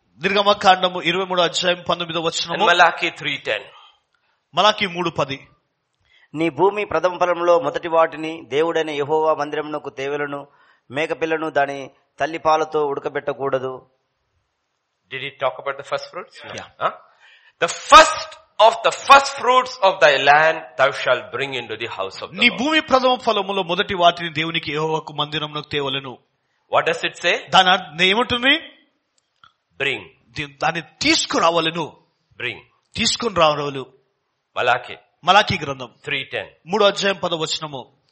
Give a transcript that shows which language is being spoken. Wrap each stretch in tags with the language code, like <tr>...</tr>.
<te>నిర్గమ కాండము 23:19. మలాకీ 3:10. మలాకీ 3:10. నీ భూమి ప్రథమ ఫలంలో మొదటి వాటిని దేవుడైన యెహోవా మందిరమునకు తేవెలను మేకపిల్లను దాని తల్లి పాలతో ఉడకబెట్టకూడదు.</te> <en>Did he talk about the first fruits? The first of the first fruits of thy land thou shall bring into the house of the Lord.</en> <te>నీ భూమి ప్రథమ ఫలములో మొదటి వాటిని దేవునికి యెహోవాకు మందిరమునకు తేవలను.</te> <en>What does it say?</en> <te>దాని అర్థం ఏమంటుంది?</te> <en>Bring.</en> <te>దాని తీసుకురావలను.</te> <en>Bring.</en> <te>తీసుకుని రావలను. మలాకీ. మలాకీ గ్రంథం 3:10. 3:10.</te>